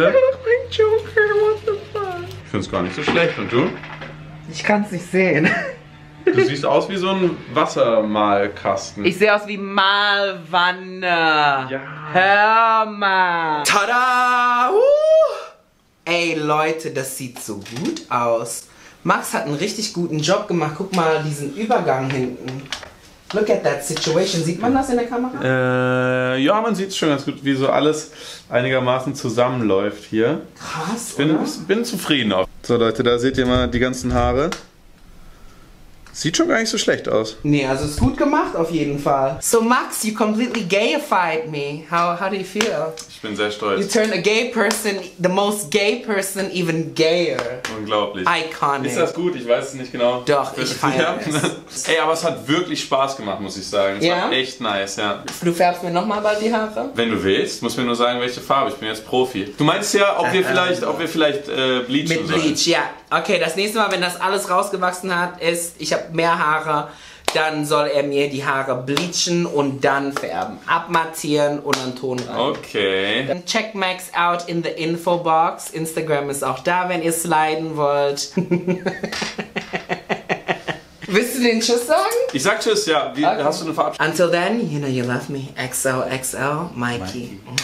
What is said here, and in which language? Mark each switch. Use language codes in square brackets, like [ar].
[de] Mein Joker, [en] what the fuck? [de] Ich find's gar nicht so schlecht. Und du? Ich kann's nicht sehen. Du siehst aus wie so ein Wassermalkasten. Ich sehe aus wie Malwanne. Ja. Hör mal. Tada! Ey, Leute, das sieht so gut aus. Max hat einen richtig guten Job gemacht. Guck mal diesen Übergang hinten. [en] Look at that situation. [de] Sieht man das in der Kamera? Ja, man sieht es schon ganz gut, wie so alles einigermaßen zusammenläuft hier. Krass, bin, oder? Bin zufrieden auch. So, Leute, da seht ihr mal die ganzen Haare. Sieht schon gar nicht so schlecht aus. Nee, also ist gut gemacht auf jeden Fall. [en] So Max, you completely gayified me. How do you feel? [de] Ich bin sehr stolz. [en] You turn a gay person, the most gay person, even gayer. Unglaublich. Iconic. [de] Ist das gut? Ich weiß es nicht genau. Doch, ich feiere es. Ey, aber es hat wirklich Spaß gemacht, muss ich sagen. Es war echt nice, ja. Du färbst mir nochmal bald die Haare? Wenn du willst, muss mir nur sagen, welche Farbe. Ich bin jetzt Profi. Du meinst ja, ob wir vielleicht, bleachen mit Mit Bleach, ja. Okay, das nächste Mal, wenn das alles rausgewachsen hat, ist, ich habe mehr Haare, dann soll er mir die Haare bleachen und dann färben. Abmattieren und einen Ton rein. Okay. [en] Dann check Max out in the Infobox. [de] Instagram ist auch da, wenn ihr sliden wollt. Willst du den Tschüss sagen? Ich sag Tschüss, ja. Wie, okay. Hast du eine Verabschiedung? [en] Until then, you know you love me. XOXO, Mikey.